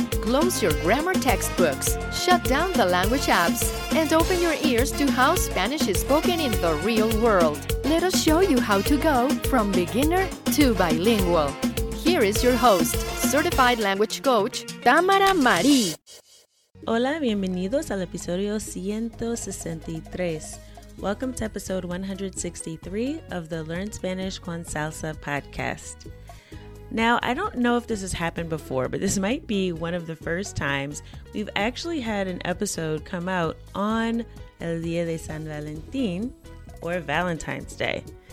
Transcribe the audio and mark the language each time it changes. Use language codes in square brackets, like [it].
[en] Close your grammar textbooks, shut down the language apps, and open your ears to how Spanish is spoken in the real world. Let us show you how to go from beginner to bilingual. Here is your host, Certified Language Coach, Tamara Marie. [es] Hola, bienvenidos al episodio 163. [en] Welcome to episode 163 of the Learn Spanish con Salsa podcast. Now, I don't know if this has happened before, but this might be one of the first times we've actually had an episode come out on [es] El Día de San Valentín [en] or Valentine's Day.